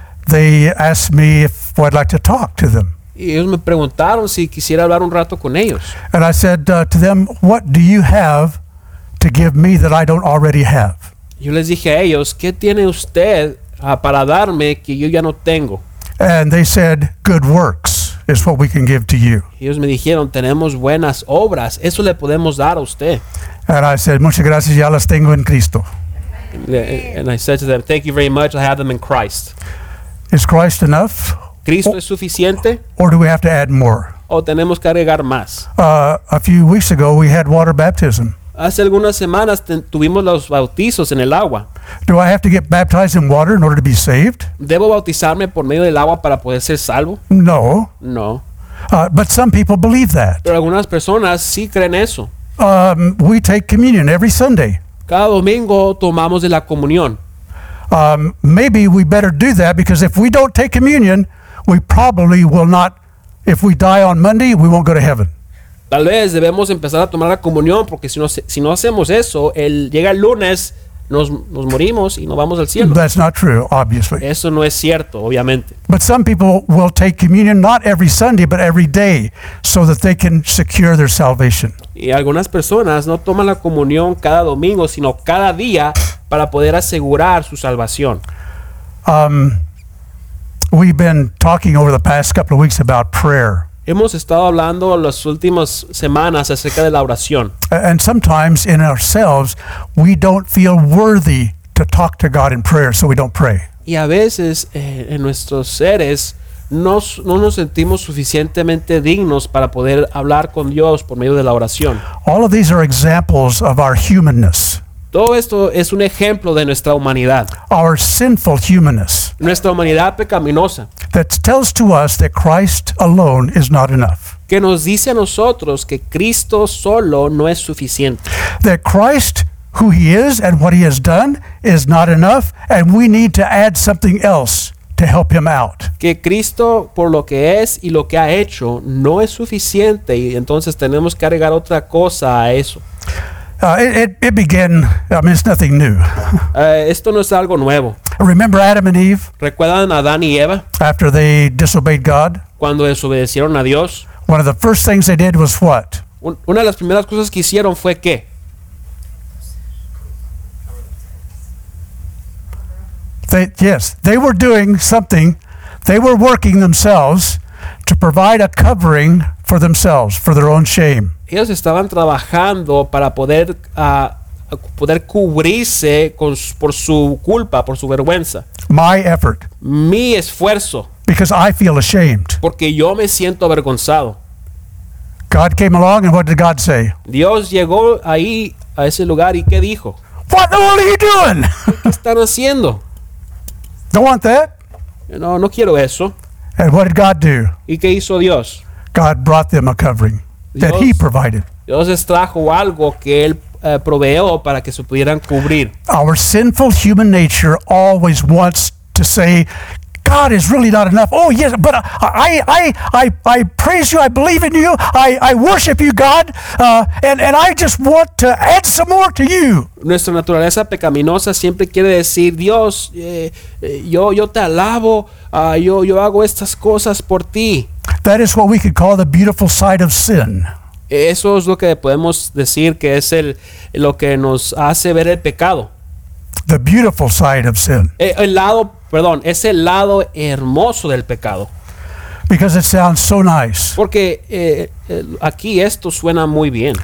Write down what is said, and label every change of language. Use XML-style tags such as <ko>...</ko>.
<en>They asked me if I'd like to talk to them.</en> <es>Y ellos me preguntaron si quisiera hablar un rato con ellos.</es> <en>And I said to them, "What do you have to give me that I don't already have?"</en> <es>Yo les dije a ellos, ¿qué tiene usted para darme que yo ya no tengo?</es> <en>And they said, "Good works is what we can give to you."</en> <es>Ellos me dijeron, tenemos buenas obras, eso le podemos dar a usted.</es> <en>And I said,</en> <es>"Muchas gracias, ya las tengo en Cristo."</es> <en>And I said to them, "Thank you very much, I have them in Christ." Is Christ enough?</en> <es>¿Cristo es suficiente?</es> <en>Or do we have to add more?</en> <es>¿O tenemos que agregar más?</es> <en>A few weeks ago we had water baptism.</en> <es>Hace algunas semanas tuvimos los bautizos en el agua.</es> <en>Do I have to get baptized in water in order to be saved?</en> <es>¿Debo bautizarme por medio del agua para poder ser salvo?</es> <en>No.</en> <es>No.</es> <en>But some people believe that.</en> <es>Pero algunas personas sí creen eso.</es> <en>We take communion every Sunday.</en> <es>Cada domingo tomamos de la comunión.</es> <en>Maybe we better do that because if we don't take communion, we probably will not, if we die on Monday, we won't go to heaven.</en> <es>Tal vez debemos empezar a tomar la comunión porque si no hacemos eso, llega el lunes, nos morimos y no vamos al cielo.</es> <en>That's not true, obviously.</en> <es>Eso no es cierto, obviamente.</es> <en>But some people will take communion not every Sunday, but every day, so that they can secure their salvation.</en> <es>Y algunas personas no toman la comunión cada domingo, sino cada día para poder asegurar su salvación.</es> <en>We've been talking over the past couple of weeks about prayer.</en> <es>Hemos estado hablando las últimas semanas acerca de la oración.</es> <en>And sometimes in ourselves, we don't feel worthy to talk to God in prayer, so we don't pray.</en> <es>Y a veces en nuestros seres no nos sentimos suficientemente dignos para poder hablar con Dios por medio de la oración.</es> <en>All of these are examples of our humanness.</en> <es>Todo esto es un ejemplo de nuestra humanidad.</es> <en>Our sinful humanness.</en> <es>Nuestra humanidad pecaminosa.</es> <en>That tells to us that Christ alone is not enough.</en> <es>que nos dice a nosotros que Cristo solo no es suficiente.</es> <en>That Christ, who he is and what he has done, is not enough, and we need to add something else to help him out.</en> <es>Que Cristo, por lo que es y lo que ha hecho, no es suficiente, y entonces tenemos que agregar otra cosa a eso.</es> <en>It's nothing new.</en> <es>Esto no es algo nuevo.</es> <en>Remember Adam and Eve?</en> <es>¿Recuerdan a Adán y Eva?</es> <en>After they disobeyed God?</en> <es>Cuando desobedecieron a Dios.</es> <en>One of the first things they did was what?</en> <es>Una de las primeras cosas que hicieron fue ¿qué?</es> <en>They were doing something. They were working themselves to provide a covering for themselves, for their own shame.</en> <es>Ellos estaban trabajando para poder poder cubrirse con, por su culpa, por su vergüenza.</es> <en>My effort.</en> <es>Mi esfuerzo.</es> <en>Because I feel ashamed.</en> <es>Porque yo me siento avergonzado.</es> <en>God came along, and what did God say?</en> <es>Dios llegó ahí a ese lugar y ¿qué dijo?</es> <en>What the hell are you doing?</en> <es>¿Qué están haciendo?</es> <en>Don't want that.</en> <es>No, no quiero eso.</es> <en>And what did God do?</en> <es>¿Y qué hizo Dios?</es> <en>God brought them a covering.</en> <es>Dios,</es> <en>that he provided.</en> <es>Dios les trajo algo que él proveó para que se pudieran cubrir.</es> <en>Our sinful human nature always wants to say, God is really not enough. Oh yes, but I praise you. I believe in you. I worship you, God. And I just want to add some more to you.</en> <es>Nuestra naturaleza pecaminosa siempre quiere decir, Dios, yo te alabo. Yo hago estas cosas por ti.</es> <en>That is what we could call the beautiful side of sin.</en> <es>Eso es lo que podemos decir que es el lo que nos hace ver el pecado.</es> <en>The beautiful side of sin.</en> <es>Es el lado hermoso del pecado.</es> <en>Because it sounds so nice.</en> <es>Porque aquí esto suena muy bien.</es>